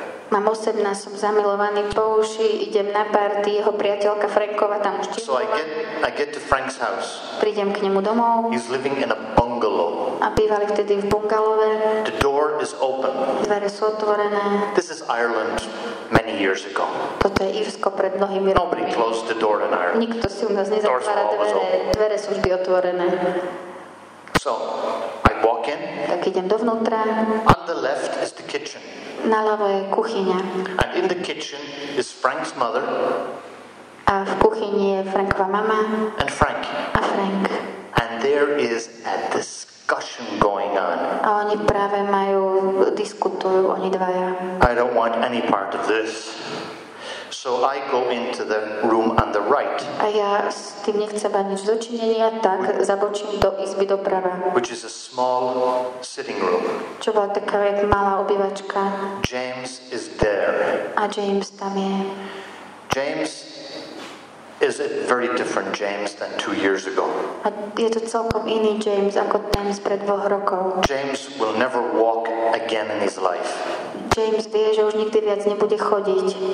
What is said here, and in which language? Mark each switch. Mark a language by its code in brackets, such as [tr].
[sk] Mám 18, som zamilovaný po uši, idem na party, jeho priateľka Frankova tam už tiež. [en] So I get to Frank's house. [sk] Prídem k nemu domov. [en] He's living in a bungalow. [sk] A bývali vtedy v bungalove. [en] The door is open. [sk] Dvere sú otvorené. [en] This is Ireland many years ago. [sk] Toto je Írsko pred mnohými rokmi. [en] Nobody closed the door in Ireland. [sk] Nikto si u nás nezatvára dvere. Dvere sú vždy otvorené. [en] So I walk in. [sk] Tak idem dovnútra. [en] On the left is the kitchen. [sk] Na ľavo je kuchyňa. [en] And in the kitchen is Frank's mother. [sk] A v kuchyni je Frankova mama. [en] And Frank. [sk] A Frank. [en] And there is a discussion going on. [sk] A oni práve majú, diskutujú oni dvaja. [en] I don't want any part of this. So I go into the room on the right. [sk] A ja s tým nechcem mať nič dočinenia, tak zabočím do izby doprava. [en] Which is a small sitting room. [sk] Čo bola taká jak malá obývačka. [en] James is there. [sk] A James tam je. [en] James is a very different James than 2 years ago. [sk] A je to celkom iný James ako ten spred 2 rokov. [en] James will never walk again in his life. [sk] James vie, že už nikdy viac nebude chodiť.